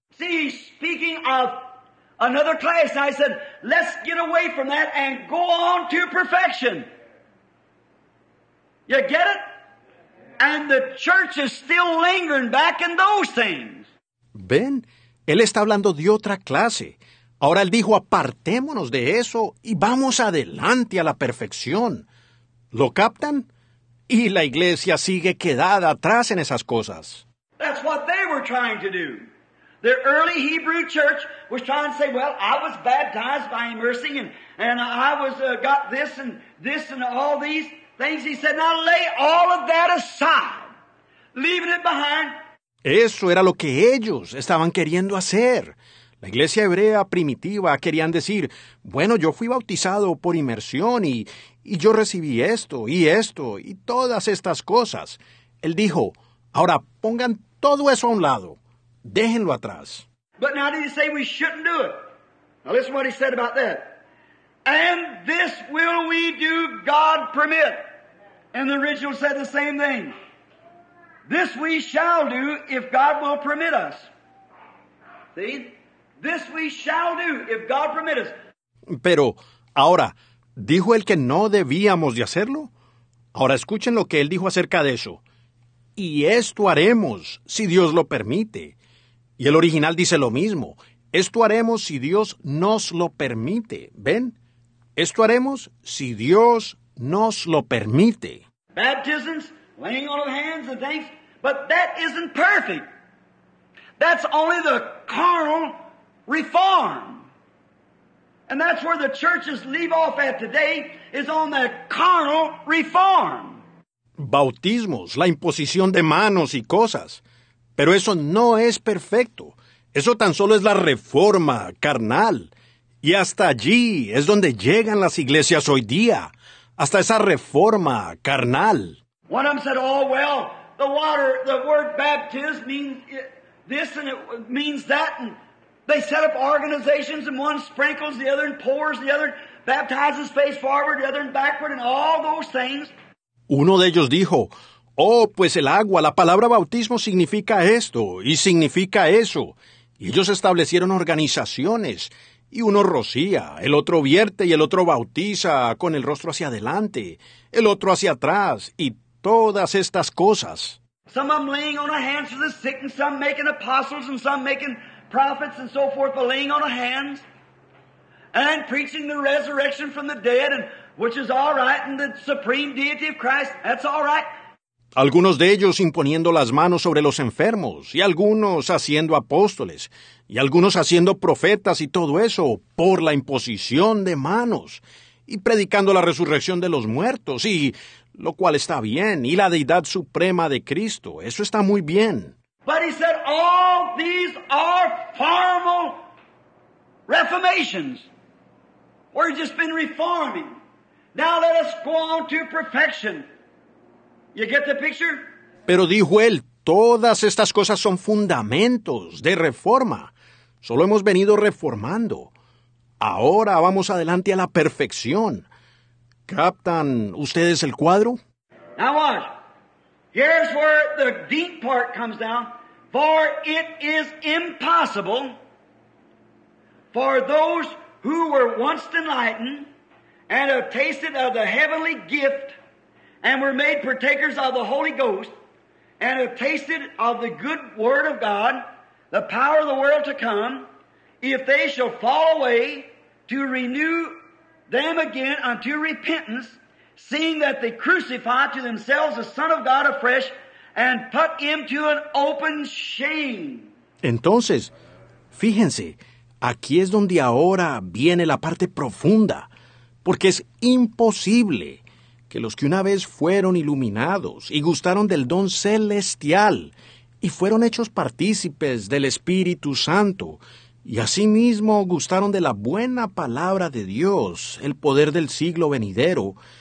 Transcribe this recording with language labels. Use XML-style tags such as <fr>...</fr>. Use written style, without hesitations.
<en>See, speaking of another class, I said, let's get away from that and go on to perfection. You get it? And the church is still lingering back in those things.</en> <es>Ven, él está hablando de otra clase. Ahora él dijo, apartémonos de eso y vamos adelante a la perfección. ¿Lo captan? Y la iglesia sigue quedada atrás en esas cosas.</es> <en>That's what they were trying to do. The early Hebrew church was trying to say, well, I was baptized by mercy and I was got this and this and all these. Things he said, now lay all of that aside, leaving it behind.</en> <es>Eso era lo que ellos estaban queriendo hacer. La iglesia hebrea primitiva querían decir, bueno, yo fui bautizado por inmersión y yo recibí esto y esto y todas estas cosas. Él dijo, ahora pongan todo eso a un lado, déjenlo atrás.</es> <en>But now did he say we shouldn't do it? Now listen to what he said about that. And this will we do, God permit. And the original said the same thing. This we shall do if God will permit us. See? This we shall do if God permit us.</en> <es>Pero, ahora, ¿dijo él que no debíamos de hacerlo? Ahora escuchen lo que él dijo acerca de eso. Y esto haremos si Dios lo permite. Y el original dice lo mismo. Esto haremos si Dios nos lo permite. ¿Ven? Esto haremos si Dios nos lo permite.</es> <en>Baptisms, laying on of hands and things, but that isn't perfect. That's only the carnal reform. And that's where the churches leave off at today, is on that carnal reform.</en> <es>Bautismos, la imposición de manos y cosas. Pero eso no es perfecto. Eso tan solo es la reforma carnal. Y hasta allí es donde llegan las iglesias hoy día, hasta esa reforma carnal.</es> <en>One of them said, oh, well, the water, the word baptism means this and it means that. And they set up organizations and one sprinkles, the other and pours, the other baptizes face forward, the other and backward, and all those things.</en> <es>Uno de ellos dijo, oh, pues el agua, la palabra bautismo significa esto y significa eso. Y ellos establecieron organizaciones. Y uno rocía, el otro vierte y el otro bautiza con el rostro hacia adelante, el otro hacia atrás y todas estas cosas.</es> <en>Some of them laying on the hands for the sick and some making apostles and some making prophets and so forth, but laying on the hands and preaching the resurrection from the dead, and which is all right, and the supreme deity of Christ, that's all right.</en> <es>Algunos de ellos imponiendo las manos sobre los enfermos, y algunos haciendo apóstoles, y algunos haciendo profetas y todo eso por la imposición de manos, y predicando la resurrección de los muertos, y lo cual está bien, y la deidad suprema de Cristo, eso está muy bien.</es> <en>But he said, all these are formal reformations. We've just been reforming. Now let us go on to perfection. You get the picture?</en> <es>Pero dijo él, todas estas cosas son fundamentos de reforma. Solo hemos venido reformando. Ahora vamos adelante a la perfección. ¿Captan ustedes el cuadro?</es> <en>Now watch. Here's where the deep part comes down. For it is impossible for those who were once enlightened and have tasted of the heavenly gift and were made partakers of the Holy Ghost, and have tasted of the good word of God, the power of the world to come, if they shall fall away, to renew them again unto repentance, seeing that they crucify to themselves the Son of God afresh, and put him to an open shame.</en> <es>Entonces, fíjense, aquí es donde ahora viene la parte profunda, porque es imposible que los que una vez fueron iluminados y gustaron del don celestial y fueron hechos partícipes del Espíritu Santo y asimismo gustaron de la buena palabra de Dios, el poder del siglo venidero,</es>